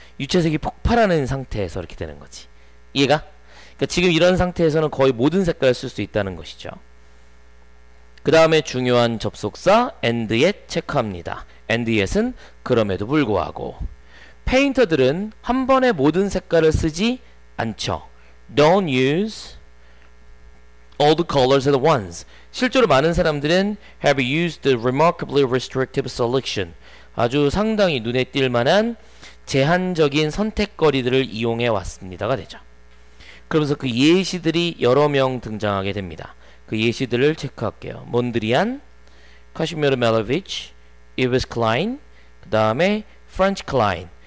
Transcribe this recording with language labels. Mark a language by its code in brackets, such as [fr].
[ko] 유체색이 폭발하는 상태에서 이렇게 되는 거지. 이해가? 그러니까 지금 이런 상태에서는 거의 모든 색깔을 쓸수 있다는 것이죠. 그 다음에 중요한 접속사 and yet 체크합니다. and yet은 그럼에도 불구하고. 페인터들은 한 번에 모든 색깔을 쓰지 않죠. [en] Don't use all the colors at once. [ko] 실제로 많은 사람들은 [en] have used the remarkably restrictive selection. [ko] 아주 상당히 눈에 띌 만한 제한적인 선택거리들을 이용해 왔습니다가 되죠. 그러면서 그 예시들이 여러 명 등장하게 됩니다. 그 예시들을 체크할게요. 몬드리안, 카시미르 멜로비치, 이브스 클라인, 그 다음에 프렌치 클라인.